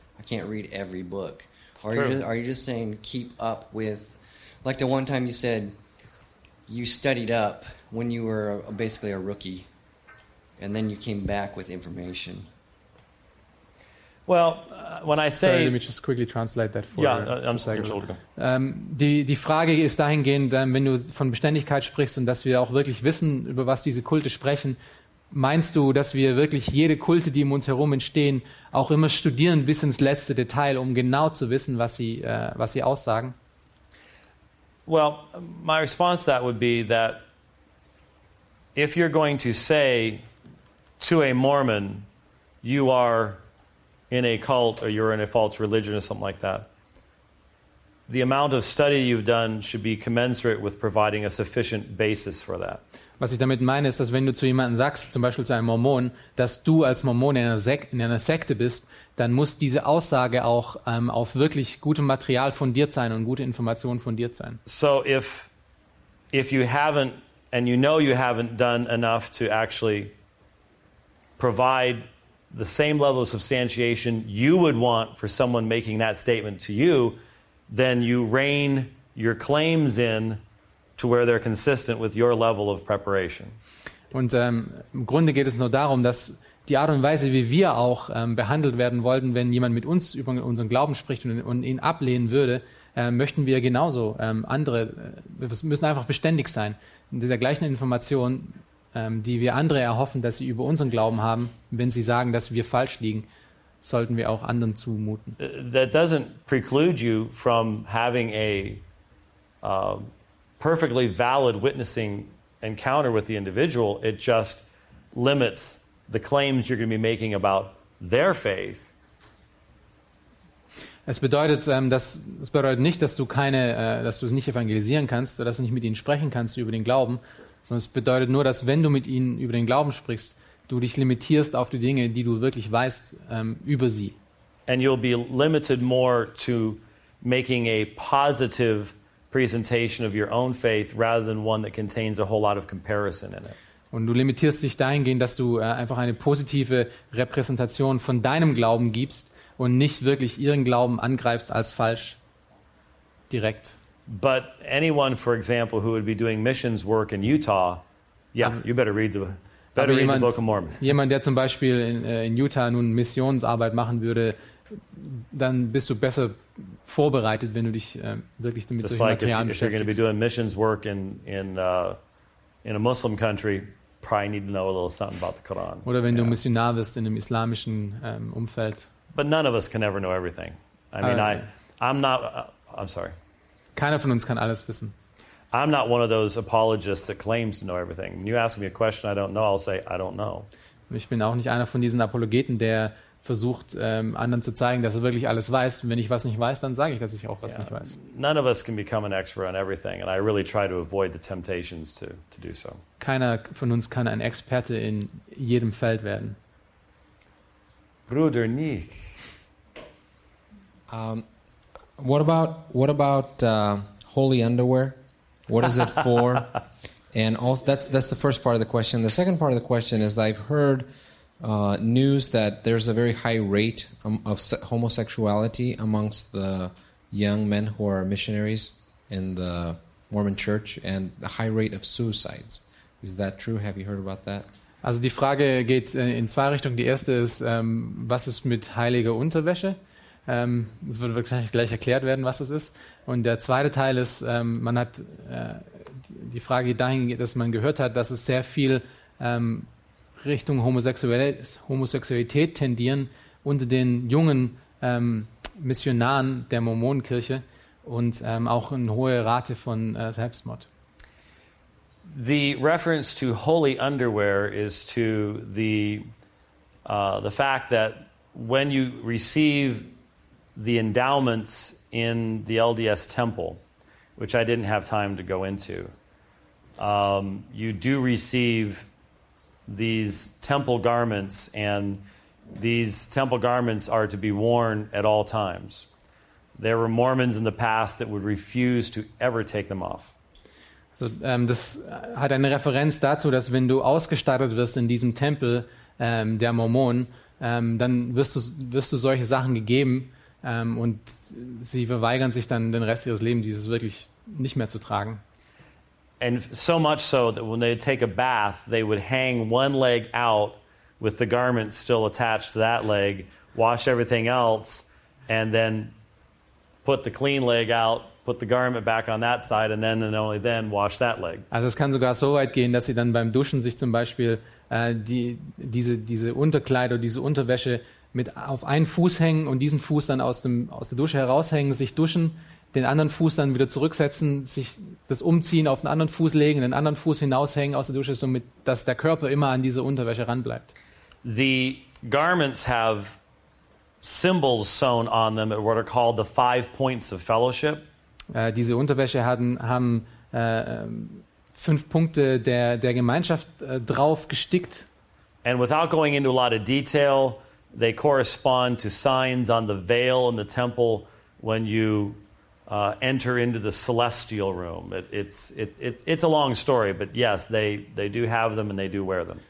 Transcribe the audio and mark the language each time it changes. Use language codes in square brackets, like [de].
[en] I can't read every book. Or are you just saying keep up with, like the one time you said you studied up when you were basically a rookie, and then you came back with information. Well, when I say, sorry, let me just quickly translate that for you. Yeah, I'm sorry. [de] Die Frage ist dahingehend, wenn du von Beständigkeit sprichst und dass wir auch wirklich wissen, über was diese Kulte sprechen, meinst du, dass wir wirklich jede Kulte, die um uns herum entstehen, auch immer studieren bis ins letzte Detail, um genau zu wissen, was sie aussagen? [en] Well, my response to that would be that if you're going to say to a Mormon, you are in a cult or you're in a false religion or something like that, the amount of study you've done should be commensurate with providing a sufficient basis for that. [de] Was ich damit meine, ist, dass wenn du zu jemandem sagst, zum Beispiel zu einem Mormon, dass du als Mormon in einer Sekte bist, dann muss diese Aussage auch auf wirklich gutem Material fundiert sein und gute Informationen fundiert sein. [en] So if you haven't and you know you haven't done enough to actually provide the same level of substantiation you would want for someone making that statement to you, then you rein your claims in to where they're consistent with your level of preparation. [de] Und im Grunde geht es nur darum, dass die Art und Weise, wie wir auch behandelt werden wollten, wenn jemand mit uns über unseren Glauben spricht und ihn ablehnen würde, möchten wir genauso andere, wir müssen einfach beständig sein in dieser gleichen Information, die wir andere erhoffen, dass sie über unseren Glauben haben, wenn sie sagen, dass wir falsch liegen, sollten wir auch anderen zumuten. [en] That doesn't preclude you from having a perfectly valid witnessing encounter with the individual. It just limits the claims you're going to be making about their faith. [de] Es bedeutet, dass du es nicht evangelisieren kannst oder dass du nicht mit ihnen sprechen kannst über den Glauben, sondern es bedeutet nur, dass wenn du mit ihnen über den Glauben sprichst, du dich limitierst auf die Dinge, die du wirklich weißt über sie. [en] And you'll be limited more to making a positive presentation of your own faith rather than one that contains a whole lot of comparison in it. [de] Und du limitierst dich dahingehend, dass du einfach eine positive Repräsentation von deinem Glauben gibst und nicht wirklich ihren Glauben angreifst als falsch direkt. [en] But anyone, for example, who would be doing missions work in Utah, yeah, you better read the Book of Mormon. [de] Jemand, der zum Beispiel in Utah nun Missionsarbeit machen würde, dann bist du besser vorbereitet, wenn du dich wirklich damit durch Material beschäftigst. [en] If you're going to be doing missions work in a Muslim country, probably need to know a little something about the Quran. [de] Oder wenn du Missionar bist in einem islamischen Umfeld. [en] But none of us can ever know everything. I'm sorry. [de] Keiner von uns kann alles wissen. [en] I'm not one of those apologists that claims to know everything. When you ask me a question I don't know, I'll say I don't know. [de] Ich bin auch nicht einer von diesen Apologeten, der versucht, anderen zu zeigen, dass er wirklich alles weiß. Wenn ich was nicht weiß, dann sage ich, dass ich auch was nicht weiß. [en] None of us can become an expert on everything, and I really try to avoid the temptations to do so. [de] Keiner von uns kann ein Experte in jedem Feld werden. Bruder Nick. [en] What about holy underwear? What is it for? And also, that's the first part of the question. The second part of the question is, I've heard news that there's a very high rate of homosexuality amongst the young men who are missionaries in the Mormon Church, and the high rate of suicides. Is that true? Have you heard about that? [de] Also die Frage geht in zwei Richtungen. Die erste ist, was ist mit heiliger Unterwäsche? Es wird wahrscheinlich gleich erklärt werden, was es ist. Und der zweite Teil ist, man hat die Frage dahin, dass man gehört hat, dass es sehr viel Richtung Homosexualität tendieren unter den jungen Missionaren der Mormonenkirche und auch eine hohe Rate von Selbstmord. [en] The reference to holy underwear is to the fact that when you receive the endowments in the LDS temple, which I didn't have time to go into, you do receive these temple garments, and these temple garments are to be worn at all times. There were Mormons in the past that would refuse to ever take them off. [de] So, das hat eine Referenz dazu, dass wenn du ausgestattet wirst in diesem Tempel der Mormonen, dann wirst du solche Sachen gegeben und sie verweigern sich dann den Rest ihres Lebens, dieses wirklich nicht mehr zu tragen. [en] And so much so that when they take a bath, they would hang one leg out with the garment still attached to that leg, wash everything else, and then put the clean leg out, put the garment back on that side, and then and only then wash that leg. [de] Also es kann sogar so weit gehen, dass sie dann beim Duschen sich zum Beispiel diese Unterkleider, diese Unterwäsche mit auf einen Fuß hängen und diesen Fuß dann aus der Dusche heraushängen, sich duschen, den anderen Fuß dann wieder zurücksetzen, sich das Umziehen auf einen anderen Fuß legen, den anderen Fuß hinaushängen aus der Dusche, somit dass der Körper immer an diese Unterwäsche ranbleibt. [en] The garments have symbols sewn on them at what are called the five points of fellowship. [de] Diese Unterwäsche haben fünf Punkte der Gemeinschaft drauf gestickt. [en] And without going into a lot of detail, they correspond to signs on the veil in the temple when you enter into the celestial room. It's a long story, but yes, they do have them and they do wear them.